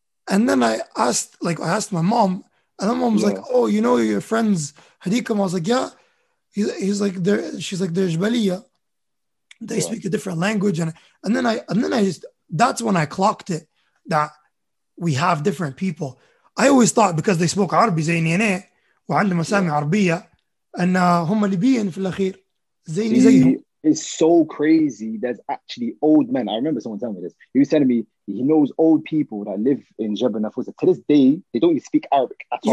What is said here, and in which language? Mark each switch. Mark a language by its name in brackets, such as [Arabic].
[English] And then I asked my mom. And my mom was like, oh, you know your friends, Hadikum. I was like, yeah. He's like, she's like, they're Jbaliya. They speak a different language. And then that's when I clocked it. that we have different people. I always thought because they spoke Arabic, [Arabic] زيني أنا وعندهم أسامي عربية أن هم ليبيين في الأخير زيني زيهم. [English] It's so crazy. There's actually old men. I remember someone telling me this. He was telling me he knows old people that live in Jebel Nafusa. To this day, they don't even speak Arabic at all.